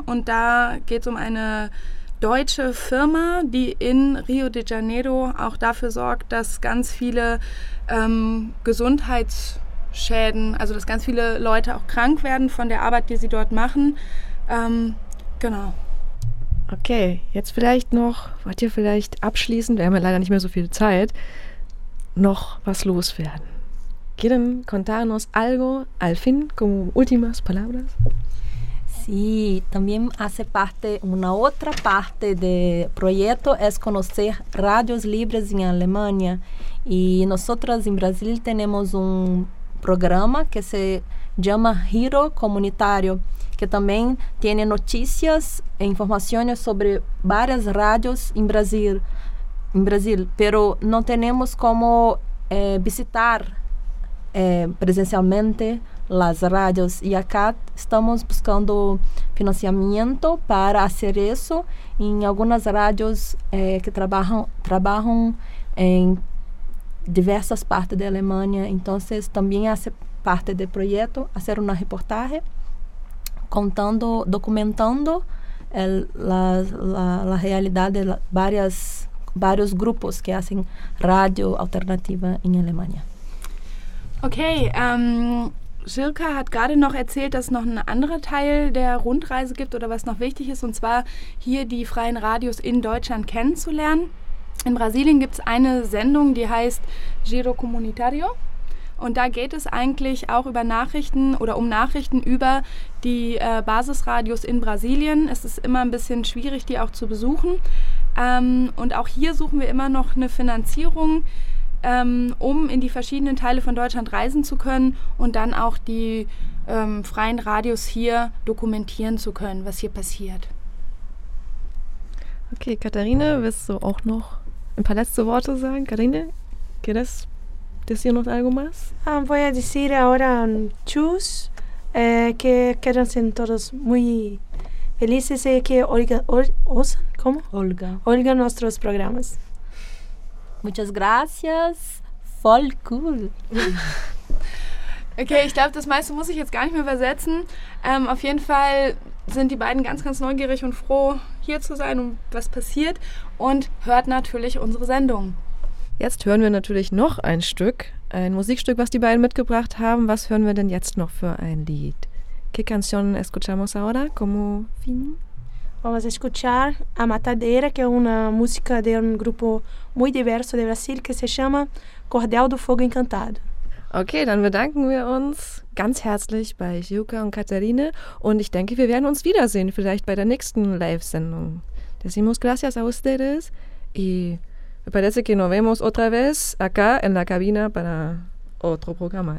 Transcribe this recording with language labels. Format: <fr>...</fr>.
<de>Und da geht es um eine deutsche Firma, die in Rio de Janeiro auch dafür sorgt, dass ganz viele Gesundheitsschäden, also dass ganz viele Leute auch krank werden von der Arbeit, die sie dort machen. Genau. Okay, jetzt vielleicht noch, wollt ihr vielleicht abschließend, wir haben ja leider nicht mehr so viel Zeit, noch was loswerden.</de> <es>¿Quieren contarnos algo al fin, como últimas palabras? Y también hace parte, una otra parte del proyecto es conocer radios libres en Alemania. Y nosotros en Brasil tenemos un programa que se llama Giro Comunitario, que también tiene noticias e informaciones sobre varias radios en Brasil, pero no tenemos cómo visitar presencialmente las radios, y acá estamos buscando financiamiento para hacer eso en algunas radios que trabajan en diversas partes de Alemania. Entonces también hace parte del proyecto hacer una reportaje contando, documentando la realidad de varios grupos que hacen radio alternativa en Alemania.</es> <de>Okay, Schilka hat gerade noch erzählt, dass es noch einen anderen Teil der Rundreise gibt oder was noch wichtig ist, und zwar hier die freien Radios in Deutschland kennenzulernen. In Brasilien gibt es eine Sendung, die heißt Giro Comunitario, und da geht es eigentlich auch über Nachrichten oder um Nachrichten über die Basisradios in Brasilien. Es ist immer ein bisschen schwierig, die auch zu besuchen, und auch hier suchen wir immer noch eine Finanzierung, um in die verschiedenen Teile von Deutschland reisen zu können und dann auch die freien Radios hier dokumentieren zu können, was hier passiert. Okay, Katharine, willst du auch noch ein paar letzte Worte sagen?</de> <es>Katharine, ¿quieres decir noch algo más? Voy a decir ahora tschüss, que quedan sind todos muy felices y que Olga nuestros programas. Muchas gracias.</es> <de>voll cool. Okay, ich glaube, das meiste muss ich jetzt gar nicht mehr übersetzen. Auf jeden Fall sind die beiden ganz, ganz neugierig und froh, hier zu sein und was passiert. Und hört natürlich unsere Sendung. Jetzt hören wir natürlich noch ein Stück, ein Musikstück, was die beiden mitgebracht haben. Was hören wir denn jetzt noch für ein Lied?</de> <es>¿Qué canción escuchamos ahora? ¿Cómo fin? Vamos a escuchar a Matadeira, que es una música de un grupo muy diverso de Brasil, que se llama Cordel do Fogo Encantado.</es> <de>Okay, dann bedanken wir uns ganz herzlich bei Juca und Katharine und ich denke, wir werden uns wiedersehen, vielleicht bei der nächsten Live-Sendung.</de> <es>Decimos gracias a ustedes y me parece que nos vemos otra vez acá en la cabina para otro programa.</es>